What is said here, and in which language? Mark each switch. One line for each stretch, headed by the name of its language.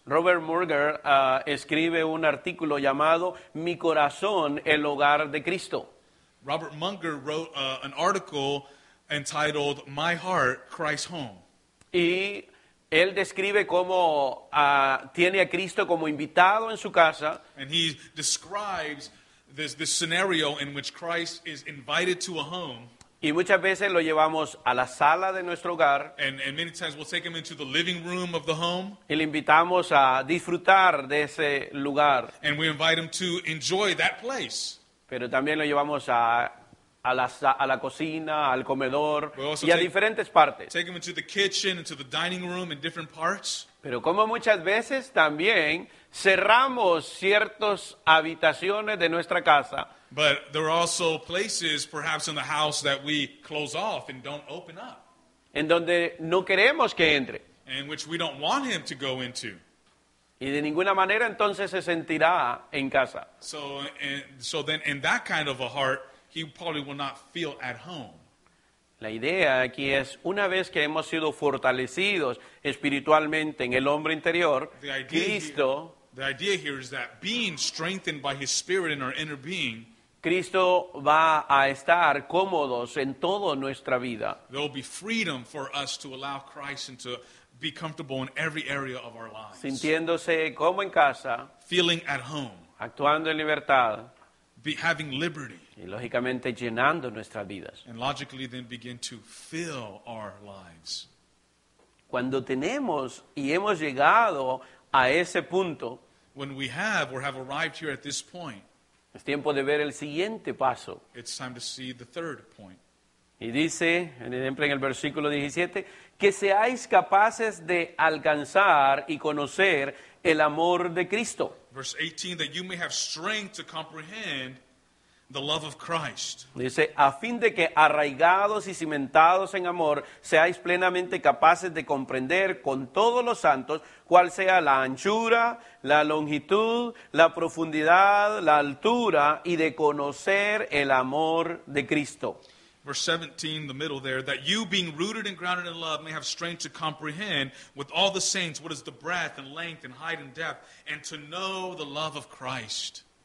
Spanish: Robert Murger escribe un artículo llamado Mi corazón, el hogar de Cristo.
English: Robert Munger wrote an article entitled My Heart, Christ's Home.
Spanish: Y él describe cómo tiene a Cristo como invitado en su casa.
English: And he describes this scenario in which Christ is invited to a home.
Spanish: Y muchas veces lo llevamos a la sala de nuestro hogar.
English: And many times we'll take him into the living room of the home.
Spanish: Y le invitamos a disfrutar de ese lugar.
English: And we invite him to enjoy that place.
Spanish: Pero también lo llevamos a la cocina, al comedor y a diferentes partes.
English: Take him into the kitchen, into the dining room, in different parts.
Spanish: Pero como muchas veces también cerramos ciertas habitaciones de nuestra casa.
English: But there are also places, perhaps in the house, that we close off and don't open up.
Spanish: En donde no queremos que entre.
English: In which we don't want him to go into.
Spanish: Y de ninguna manera entonces se sentirá en casa.
English: So then in that kind of a heart, he probably will not feel at home.
Spanish: La idea aquí es, una vez que hemos sido fortalecidos espiritualmente en el hombre interior, Cristo...
English: The idea here is that being strengthened by his spirit in our inner being,
Spanish: Cristo va a estar cómodos en toda nuestra vida.
English: There will be freedom for us to allow Christ into be comfortable in every area of our lives.
Spanish: Sintiéndose como en casa,
English: feeling at home,
Spanish: actuando en libertad,
English: having liberty,
Spanish: y lógicamente llenando nuestras vidas.
English: And logically then begin to fill our lives.
Spanish: Cuando tenemos y hemos llegado a ese punto,
English: when we have or have arrived here at this point,
Spanish: es tiempo de ver el siguiente paso.
English: It's time to see the third point.
Spanish: Y dice, en ejemplo, en el versículo 17, que seáis capaces de alcanzar y conocer el amor de Cristo.
English: Verse 18, that you may have strength to comprehend the love of Christ.
Spanish: Dice, a fin de que arraigados y cimentados en amor, seáis plenamente capaces de comprender con todos los santos cuál sea la anchura, la longitud, la profundidad, la altura, y de conocer el amor de Cristo.
English: Verse 17, the middle there, that you being rooted and grounded in love may have strength to comprehend with all the saints what is the breadth and length and height and depth, and to know the love of Christ.